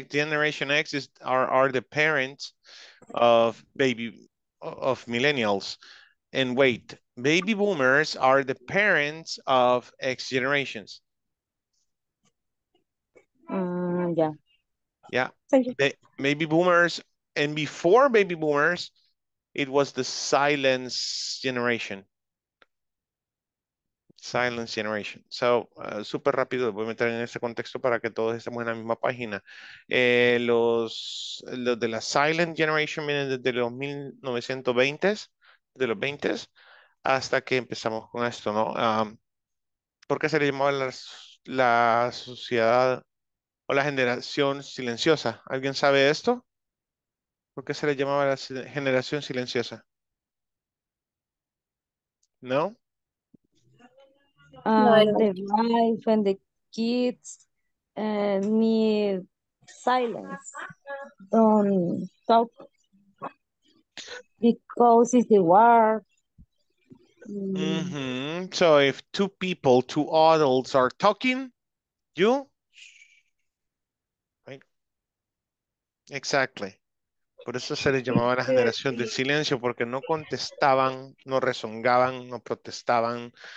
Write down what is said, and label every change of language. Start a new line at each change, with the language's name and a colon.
English: Generation X is are the parents of millennials, and wait, baby boomers are the parents of X generations. Yeah. Thank you. Baby boomers, and before baby boomers, it was the silence generation. Silence generation.
Spanish: So, super rápido, voy a meter en este contexto para que todos estemos en la misma página. Los de la silent generation vienen desde los 1920s, de los 20s, hasta que empezamos con esto, ¿no? ¿Por qué se le llamaba la sociedad o la generación silenciosa? ¿Alguien sabe esto? ¿Por qué se le llamaba la generación silenciosa? ¿No?
English: The wife and the kids need silence. Don't talk because it's the war. Mm-hmm. So if two people, two adults are talking, you? Right? Exactly.
Spanish: Por eso se les llamaba la generación del silencio, porque no contestaban, no rezongaban, no protestaban.